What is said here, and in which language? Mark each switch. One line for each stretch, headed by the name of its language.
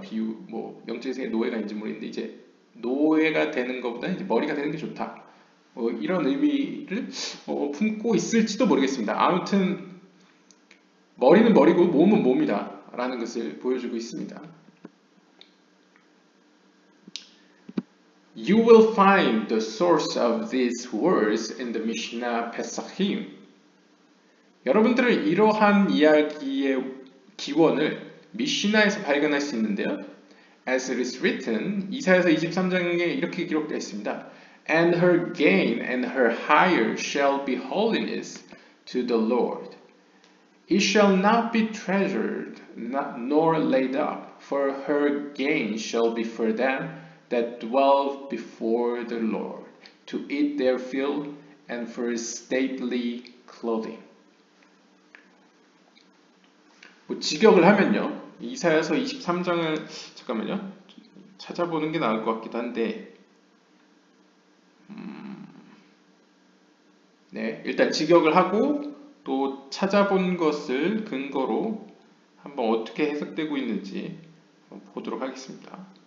Korean: 비유, 뭐 영적 세계 노예가인지 모르겠는데 이제 노예가 되는 것보다는 이제 머리가 되는 게 좋다. 뭐 이런 의미를 품고 있을지도 모르겠습니다. 아무튼 머리는 머리고 몸은 몸이다라는 것을 보여주고 있습니다.
English: You will find the source of these words in the Mishnah Pesachim.
Korean: 여러분들은 이러한 이야기의 기원을 미시나에서 발견할 수 있는데요.
English: As it is written,
Korean: 이사야서 23장에 이렇게 기록되어 있습니다.
English: And her gain and her hire shall be holiness to the Lord. It shall not be treasured nor laid up, for her gain shall be for them that dwell before the Lord, to eat their fill and for stately clothing.
Korean: 뭐 직역을 하면요. 이사야서 23장을 잠깐만요. 찾아보는 게 나을 것 같기도 한데. 네, 일단 직역을 하고 또 찾아본 것을 근거로 한번 어떻게 해석되고 있는지 보도록 하겠습니다.